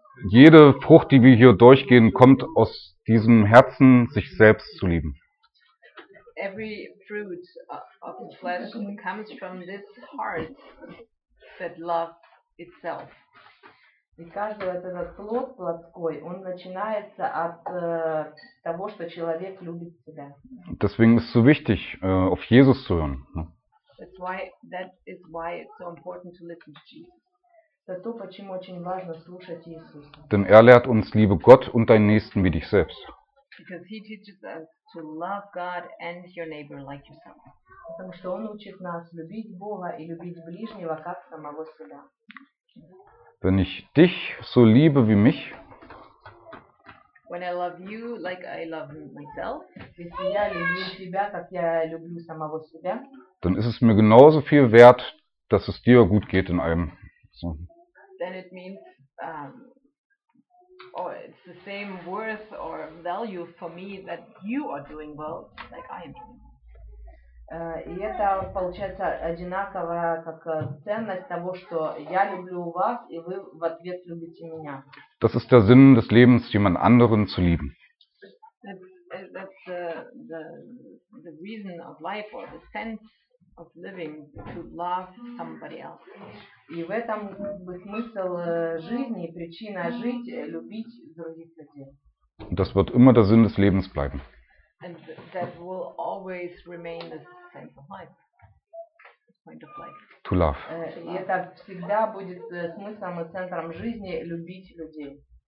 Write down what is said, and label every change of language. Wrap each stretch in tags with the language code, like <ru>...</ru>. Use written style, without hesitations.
<de>Jede Frucht, die wir hier durchgehen, kommt aus diesem Herzen, sich selbst zu lieben.</de> <en>Every fruit of the flesh comes from this heart that loves itself.</en> <ru>И каждый этот плод плодской, он начинается от того, что человек любит себя.</ru> <de>Deswegen ist so wichtig, auf Jesus zu hören.</de> <en>That is why it's so important to listen to Jesus.</en> <ru>Это то, почему очень важно слушать Иисуса.</ru> <de>Denn er lehrt uns, liebe Gott und deinen Nächsten wie dich selbst.</de> <en>Because he teaches us to love God and your neighbor like yourself.</en> <ru>Потому что он учит нас любить Бога и любить ближнего как самого себя.</ru> <de>Wenn ich dich so liebe wie mich,</de> <en>when I love you like I love myself,</en> <ru>если я люблю тебя, как я люблю самого себя,</ru> <de>dann ist es mir genauso viel wert, dass es dir gut geht in allem. So.</de> <en>Then it means or it's the same worth or value for me that you are doing well like I am doing.</en> <ru>И это получается одинаковая как ценность того, что я люблю вас, и вы в ответ любите меня.</ru> <de>Das ist der Sinn des Lebens, jemand anderen zu lieben.</de> <en>That's the reason of life or the sense of living to love somebody else.</en> <ru>И в этом смысл жизни, причина жить, любить других людей.</ru> <de>Das wird immer der Sinn des Lebens bleiben.</de> <en>And that will always remain the sense of life. Point of life. To love.</en> <ru>И это всегда будет смыслом и центром жизни любить людей.</ru>